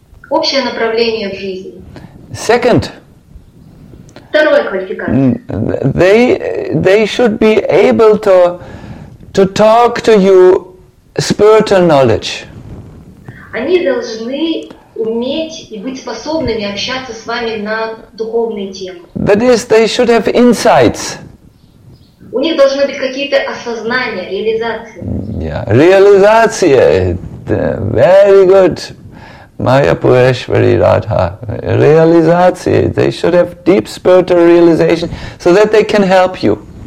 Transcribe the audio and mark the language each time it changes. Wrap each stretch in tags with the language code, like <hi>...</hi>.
<ru>Общее направление в жизни.</ru> <en>Second.</en> <ru>Второе квалификация.</ru> <en>They should be able to talk to you spiritual knowledge.</en> <ru>Они должны уметь и быть способными общаться с вами на духовные темы.</ru> <en>That is, they should have insights.</en> <ru>У них должны быть какие-то осознания, реализации.</ru> <en>Yeah, реализация. Very good. Maya Pureshwari Radha, realization. They should have deep spiritual realization so that they can help you.</en>